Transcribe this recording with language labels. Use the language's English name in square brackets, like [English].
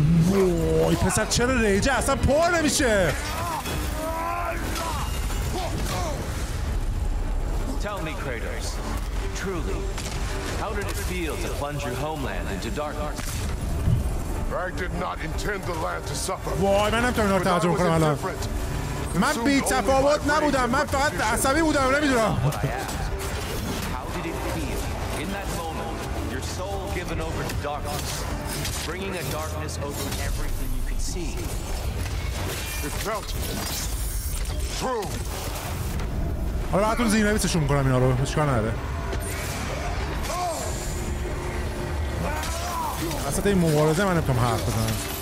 [Persian] وای پسر چرا ریجه اصلا پر نمیشه؟ [English] Tell me, Kratos, truly, how did it feel to plunge your homeland into darkness? I did not intend the land to suffer. [Persian] وای من نمیتونم اینو تحمل کنم الان. من بی تفاوت نبودم، من فقط عصبی بودم، نمیدونم. [English] How did it feel in that moment, your soul given over to darkness, bringing a darkness over everything you could see? It felt true. [Persian] حالا براتون زیر نویسشون میکنم اینا رو، چیکار نداره اصلا این مبارزه من نمیتونم حرف بزنم.